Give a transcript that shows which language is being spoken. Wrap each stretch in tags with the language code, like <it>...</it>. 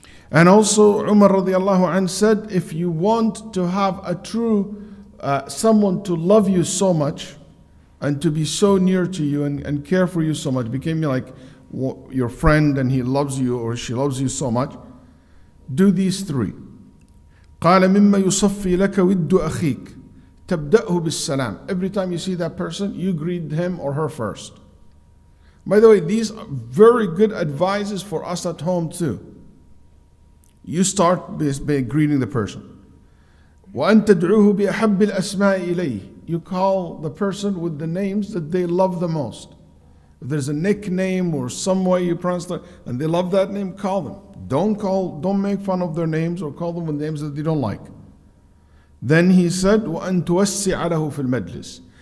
<en>And also Umar radiallahu anhu said, if you want to have a true someone to love you so much and to be so near to you and care for you so much, became like your friend and he loves you or she loves you so much, do these three.</en> <ar>قال مما يصفي لك ود أخيك تبدأه بالسلام.</ar> <en>Every time you see that person, you greet him or her first. By the way, these are very good advices for us at home too. You start by greeting the person.</en> <ar>وأن تدعوه بأحب الأسماء إليه.</ar> <en>You call the person with the names that they love the most. If there's a nickname or some way you pronounce that, and they love that name, call them. Don't make fun of their names or call them with names that they don't like. Then he said,</en> <ar>وَأَن تُوَسِّعَ لَهُ فِي الْمَجْلِسِ.</ar>